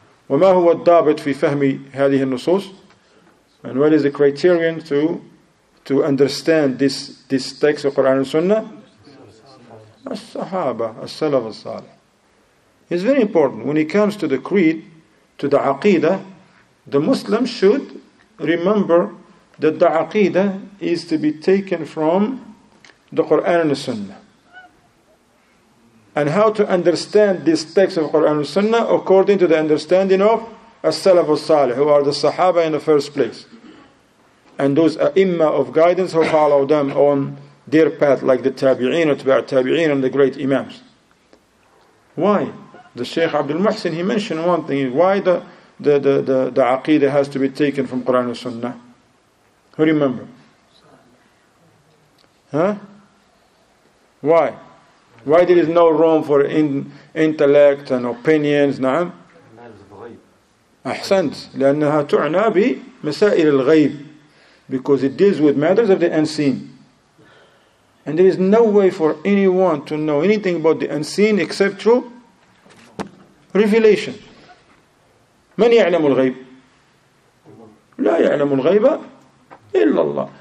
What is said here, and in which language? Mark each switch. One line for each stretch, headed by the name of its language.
Arabic: وما هو الضابط في فهم هذه النصوص?
English: And what is the criterion to understand this text of Quran and Sunnah? As-Sahaba, As-Salaf As-Salih. It's very important when it comes to the creed, to the aqidah, the Muslim should remember that the aqidah is to be taken from the Quran and the Sunnah. And how to understand this text of Quran and Sunnah according to the understanding of As-Salaf As-Salih, who are the Sahaba in the first place. And those a'imma of guidance who follow them on their path, like the Tabi'een, Utba' Tabi'een, and the great Imams. Why? The Shaykh Abdul Muhsin, he mentioned one thing. Why the aqidah has to be taken from Quran and Sunnah? Who remember? Why? Why there is no room for intellect and opinions?
Arabic: نعم. أحسنت. لأنها تعنى بمسائل الغيب.
English: Because it deals with matters of the unseen. And there is no way for anyone to know anything about the unseen except through revelation.
Arabic: من يعلم الغيب? لا يعلم الغيب إلا الله.